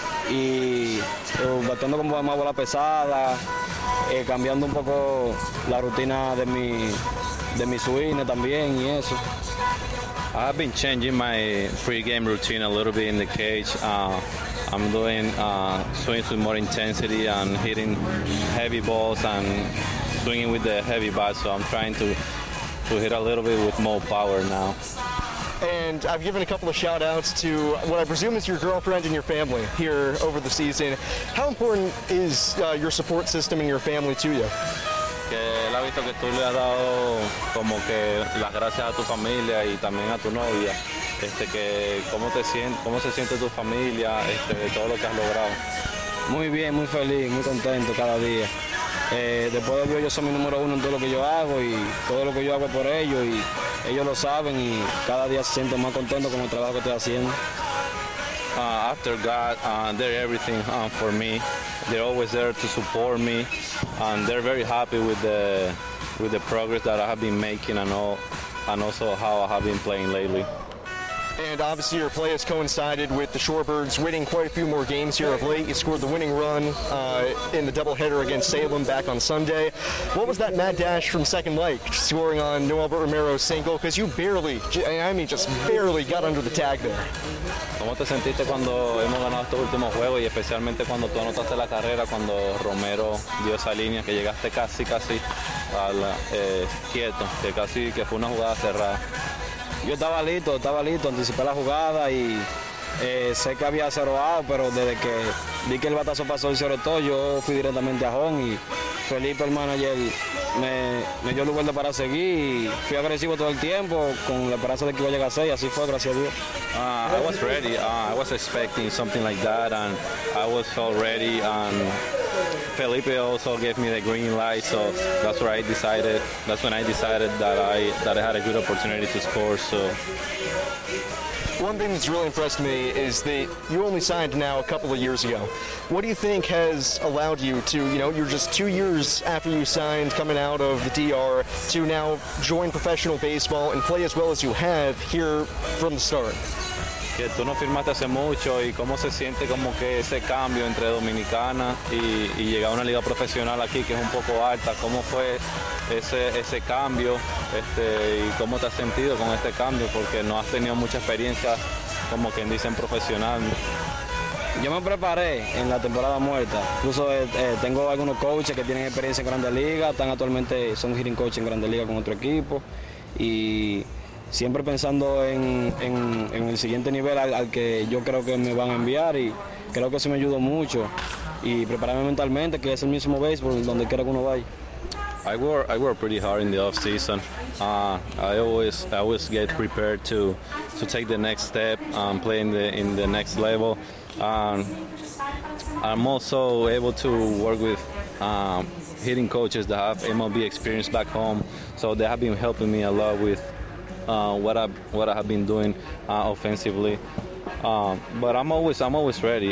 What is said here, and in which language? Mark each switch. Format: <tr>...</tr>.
<es>Y batiendo como más bola pesada, cambiando un poco la rutina de mi swing también y eso.</es> <en>I've been changing my pregame routine a little bit in the cage. I'm doing swings with more intensity and hitting heavy balls and swinging with the heavy bat. So I'm trying to to hit a little bit with more power now. And I've given a couple of shout-outs to what I presume is your girlfriend and your family here over the season. How important is your support system and your family to you?</en> <es>Que él ha visto que tú le has dado como que las gracias a tu familia y también a tu novia. Este, que cómo te sientes, cómo se siente tu familia, este, de todo lo que has logrado. Muy bien, muy feliz, muy contento cada día. Después de Dios, yo soy mi número uno en todo lo que yo hago y todo lo que yo hago por ellos y ellos lo saben y cada día se siento más contento con el trabajo que estoy haciendo.</es> <en>After God, they're everything for me. They're always there to support me and they're very happy with the progress that I have been making and also how I have been playing lately. And obviously your play has coincided with the Shorebirds winning quite a few more games here of late. You scored the winning run in the doubleheader against Salem back on Sunday. What was that mad dash from second leg, scoring on Noelbert Romero's single? Because you barely, I mean just barely, got under the tag there.</en> <es>¿Cómo te sentiste cuando hemos ganado estos últimos juegos y especialmente cuando tú anotaste la carrera, cuando Romero dio esa línea, que llegaste casi, casi al quieto, que casi que fue una jugada cerrada? Yo estaba listo, anticipé la jugada y sé que había cero out, pero desde que vi que el batazo pasó y sobre todo, yo fui directamente a home y Felipe, el manager, me dio lugar para seguir y fui agresivo todo el tiempo con la esperanza de que iba a llegar a 6, así fue, gracias a Dios.</es> <en>I was ready, I was expecting something like that and I was all ready and Felipe also gave me the green light, so that's what I decided. That's when I decided that I had a good opportunity to score. So one thing that's really impressed me is that you only signed now a couple of years ago. What do you think has allowed you to, you know, you're just 2 years after you signed coming out of the DR to now join professional baseball and play as well as you have here from the start?</en> <es>Que tú no firmaste hace mucho y cómo se siente como que ese cambio entre Dominicana y llegar a una liga profesional aquí que es un poco alta, cómo fue ese cambio y cómo te has sentido con este cambio porque no has tenido mucha experiencia como quien dicen profesional. Yo me preparé en la temporada muerta, incluso tengo algunos coaches que tienen experiencia en Grandes Ligas, están actualmente, son hitting coach en Grandes Ligas con otro equipo y siempre pensando en el siguiente nivel al que yo creo que me van a enviar y creo que eso me ayudó mucho y prepararme mentalmente que es el mismo béisbol donde quiera que uno vaya.</es> <en>I work pretty hard in the off season. I always get prepared to take the next step and play in the next level. I'm also able to work with hitting coaches that have MLB experience back home, so they have been helping me a lot with what I have been doing offensively, but I'm always ready.</en>